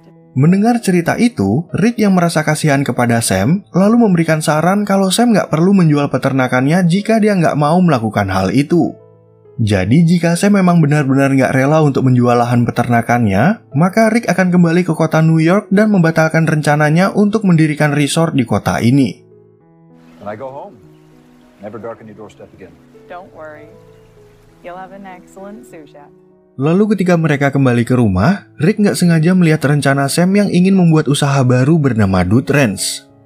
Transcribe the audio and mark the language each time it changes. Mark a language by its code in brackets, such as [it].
[id] Mendengar cerita itu, Rick yang merasa kasihan kepada Sam, lalu memberikan saran kalau Sam nggak perlu menjual peternakannya jika dia nggak mau melakukan hal itu. Jadi jika Sam memang benar-benar nggak rela untuk menjual lahan peternakannya, maka Rick akan kembali ke kota New York dan membatalkan rencananya untuk mendirikan resort di kota ini. [en] When I go home, never darken your doorstep again. Don't worry, you'll have an excellent sous chef. [id] Lalu ketika mereka kembali ke rumah, Rick nggak sengaja melihat rencana Sam yang ingin membuat usaha baru bernama Dude Ranch.